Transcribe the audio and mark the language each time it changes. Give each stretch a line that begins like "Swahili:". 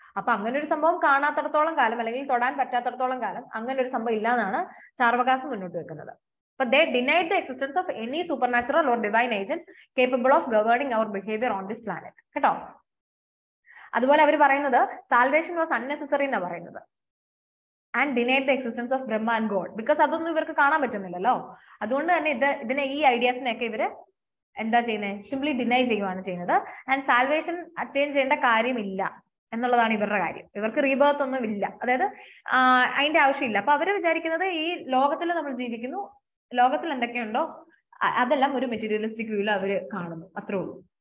Malayalam: അപ്പൊ അങ്ങനെ ഒരു സംഭവം കാണാത്തടത്തോളം കാലം, അല്ലെങ്കിൽ തൊടാൻ പറ്റാത്തടത്തോളം കാലം, അങ്ങനെ ഒരു സംഭവം ഇല്ലാന്നാണ് ചാർവകാസം മുന്നോട്ട് വെക്കുന്നത്.
English: അപ്പൊ they denied the existence of any supernatural or divine agent capable of governing our behaviour on this planet.
Malayalam: കേട്ടോ, അതുപോലെ അവർ പറയുന്നത്
English: salvation was unnecessary
Malayalam: എന്നാ പറയുന്നത്.
English: And denied the existence of Brahma and God.
Malayalam: Because അതൊന്നും ഇവർക്ക് കാണാൻ പറ്റുന്നില്ലല്ലോ. അതുകൊണ്ട് തന്നെ ഇത് ഇതിനെ ഈ ഐഡിയാസിനെയൊക്കെ ഇവര് എന്താ ചെയ്യുന്നത്, സിംപ്ലി ഡിനൈ ചെയ്യുവാണ് ചെയ്യുന്നത്. ആൻഡ് സാൽവേഷൻ അറ്റൈൻ ചെയ്യേണ്ട കാര്യമില്ല എന്നുള്ളതാണ് ഇവരുടെ കാര്യം. ഇവർക്ക് റീബേർത്ത് ഒന്നും ഇല്ല, അതായത് അതിന്റെ ആവശ്യമില്ല. അപ്പൊ അവര് വിചാരിക്കുന്നത് ഈ ലോകത്തിൽ നമ്മൾ ജീവിക്കുന്നു, ലോകത്തിൽ എന്തൊക്കെയുണ്ടോ അതെല്ലാം ഒരു മെറ്റീരിയലിസ്റ്റിക് വ്യൂല അവര് കാണുന്നു, അത്രേ ഉള്ളൂ.